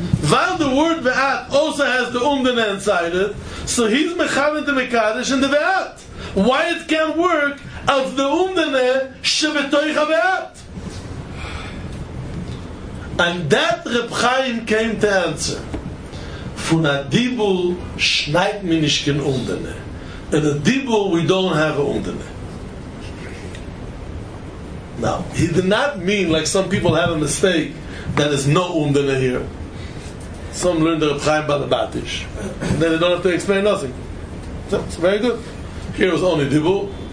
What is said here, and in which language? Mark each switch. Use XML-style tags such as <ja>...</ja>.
<en>While the word ve'at also has the umdene inside it, so he's mechavent the mekadesh and the ve'at. Why it can't work as the umdene shevetoicha ve'at? And that Reb Chaim came to answer.</en> <yi>Fun a dibul schneit mi nicht kein umdene.</yi> <en>In a dibul we don't have a umdene. Now, he did not mean, like some people have a mistake, that is no umdene here. Some learn the Reb Chaim Balabatish. Then they don't have to explain nothing. That's very good. Here is only dibul.</en>